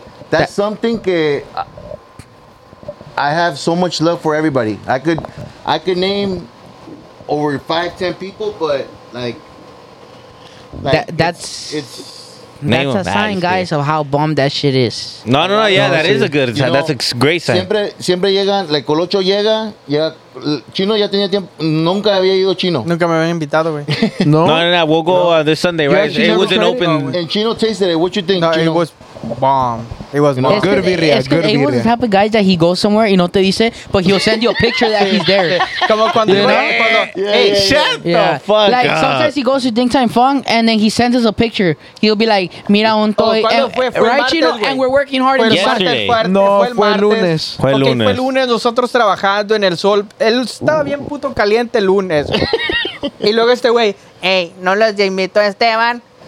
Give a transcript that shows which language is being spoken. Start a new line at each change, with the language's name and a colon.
English: That's something
Spanish: que
English: I have so much love for everybody. I could name over 5-10 people, but that's name that's a sign, there. Guys, of how bomb that shit is. That is a good sign. You know, that's a great sign.
Spanish: Siempre llega, like, Colocho llega. Chino ya tenía tiempo. Nunca había ido Chino. Nunca me habían invitado, güey. No.
English: We'll go this Sunday, right? Yeah, it was an open. And Chino tasted it. What you think, Chino? It was bomb. It was bomb. Good birria. Good birria. He was the type of guy that he goes somewhere
Spanish: y no te dice,
English: but he'll send you a picture that he's there. Como cuando... Shut the fuck up. Like, sometimes he goes to Ding Time Fong and then he sends us a picture. He'll be like,
Spanish: mira un
English: toy. Right, Chino? And we're working hard in the sun.
Spanish: No, fue el lunes. Fue el lunes. Fue el lunes nosotros trabajando en el sol. Él estaba bien puto caliente el lunes. Y luego este güey, hey, ¿no los invito a Esteban?